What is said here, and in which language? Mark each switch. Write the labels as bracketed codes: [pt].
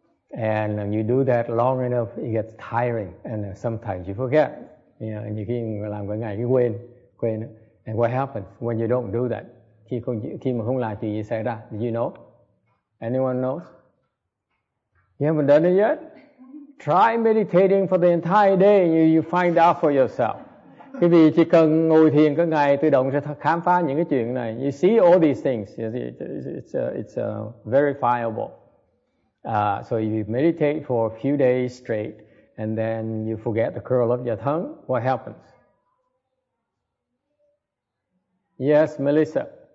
[en] And you do that long enough, it gets tiring. And sometimes you forget. [vi] Nhiều khi làm cả ngày, quên. [en] And what happens when you don't do that? [vi] Khi mà không làm chuyện gì xảy ra? [en] Did you know? Anyone knows? You haven't done it yet? Try meditating for the entire day and you find out for yourself. [vi] Quý vị chỉ cần ngồi thiền cả ngày, tự động sẽ khám phá những cái chuyện này. [en] You see all these things. It's verifiable. So if you meditate for a few days straight and then you forget the curl of your tongue, what happens? Yes, Melissa.